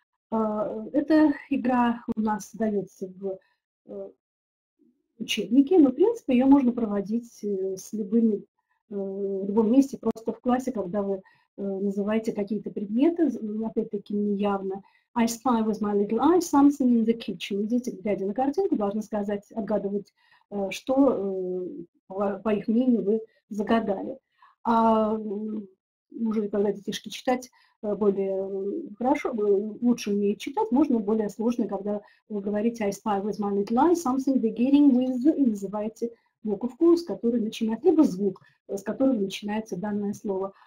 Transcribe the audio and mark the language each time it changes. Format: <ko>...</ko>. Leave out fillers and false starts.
<ru>Эта игра у нас дается в учебнике, но, в принципе, ее можно проводить с любыми, в любом месте, просто в классе, когда вы называете какие-то предметы, опять-таки, неявно.</ru> <en>I spy with my little eye something in the kitchen.</en> <ru>Дети, глядя на картинку, должны сказать, отгадывать, что, по их мнению, вы загадали. А уже когда детишки читать более хорошо, лучше умеют читать, можно более сложно, когда вы говорите</ru> <en>I spy with my little eye something beginning with,</en> <ru>и называете буковку, с которой начинает, либо звук, с которого начинается данное слово.</ru>